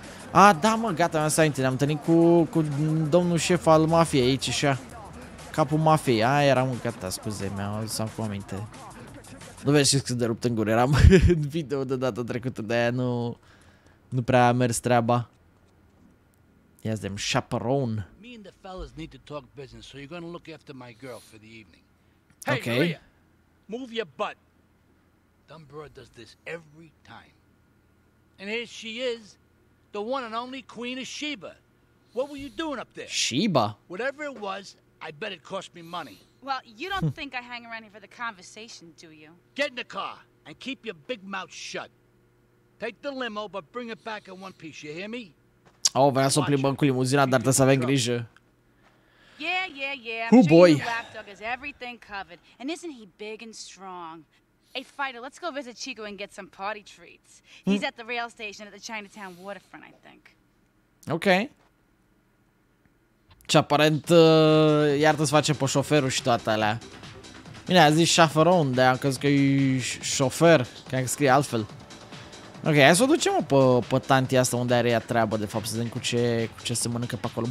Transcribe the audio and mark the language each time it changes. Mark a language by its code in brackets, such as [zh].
[ro] A, da, mă, gata, mi-am stat, ne-am întâlnit cu domnul șef al mafiei aici, așa. Capul mafiei, a, eram, gata, scuze, mi-am adus cu aminte. Nu vezi ce de rupt în gură, eram în video de data trecută, de aia nu prea a mers treaba. Ia zi, chaperone. [en] Me and the fellas need to talk business, so you're gonna look after my girl for the evening. Hey, okay. Move your butt. Dumbra does this every time. And here she is, the one and only Queen of Sheba. What were you doing up there? Sheba? Whatever it was, I bet it cost me money. Well, you don't think I hang around here for the conversation, do you? Get in the car and keep your big mouth shut. Take the limo, but bring it back in one piece, you hear me? [ro] Oh, vrea să o plimbăm cu limuzina, dar trebuie să avem grijă. [en] Yeah. Oh boy. Lapdog has everything covered. And isn't he big and strong? Hey, Fighter, let's go visit Chico and get some party treats. He's at the rail station at the Chinatown waterfront, I think. Okay. [ro] Ce aparent iar să facem pe șoferul și toate alea. Bine, a zis chaperone, dar am crezut că e șofer, că am scris altfel. Ok, hai să o ducem pe tantia asta unde are ea treabă, de fapt, să vedem cu ce se mănâncă pe acolo.